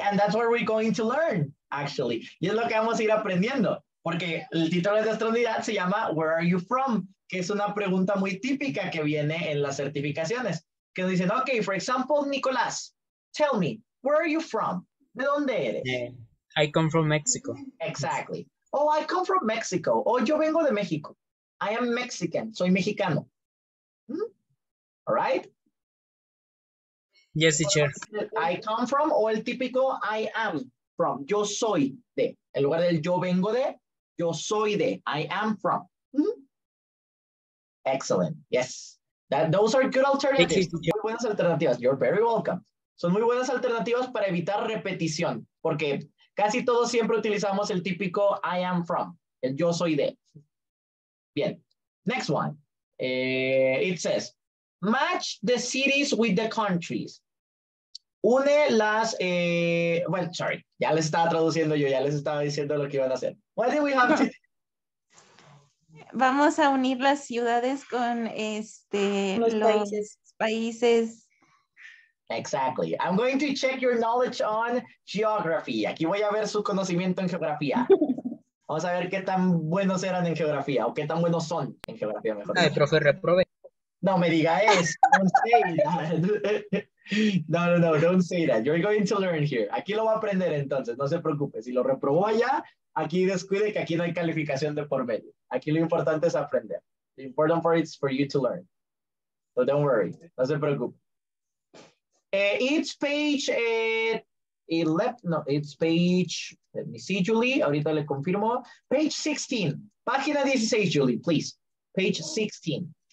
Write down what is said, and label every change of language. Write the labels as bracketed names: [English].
[English] And that's where we're going to learn, actually. [Spanish] Y es lo que vamos a ir aprendiendo. Porque el título de nuestra unidad se llama, [English] Where are you from? [Spanish] Que es una pregunta muy típica que viene en las certificaciones. Que nos dicen, [English] okay, for example, Nicolás, tell me, where are you from? [Spanish] ¿De dónde eres? [English] I come from Mexico. Exactly. Oh, I come from Mexico. [Spanish] Oh, yo vengo de México. [English] I am Mexican. [Spanish] Soy mexicano. [English] Hmm? All right? Yes, teacher. I come from, [Spanish] o el típico [English] I am from. [Spanish] Yo soy de. En lugar del yo vengo de, yo soy de. [English] I am from. Hmm? Excellent. Yes. Those are good alternatives. [Spanish] Muy buenas alternativas. [English] You're very welcome. [Spanish] Son muy buenas alternativas para evitar repetición, porque casi todos siempre utilizamos el típico [English] I am from, [Spanish] el yo soy de. [English] Bien. Next one. It says, match the cities with the countries. [Spanish] Une las, [English] well, sorry. [Spanish] Ya les estaba traduciendo yo, ya les estaba diciendo lo que iban a hacer. [English] Why do we have to... [Spanish] Vamos a unir las ciudades con los países. [English] Exactly. I'm going to check your knowledge on geography. [Spanish] Aquí voy a ver su conocimiento en geografía. Vamos a ver qué tan buenos eran en geografía o qué tan buenos son en geografía. Mejor. Ay, profe, reprobé. No me diga eso. [English] Don't say that. No, don't say that. You're going to learn here. [Spanish] Aquí lo va a aprender entonces, no se preocupe. Si lo reprobó allá, aquí descuide que aquí no hay calificación de por medio. Aquí lo importante es aprender. [English] The important part is for you to learn. So don't worry, [Spanish] no se preocupe. [English] It's page 11, no, it's page, let me see, Julie, [Spanish] ahorita le confirmo. [English] Page 16, página 16, Julie, please. Page 16.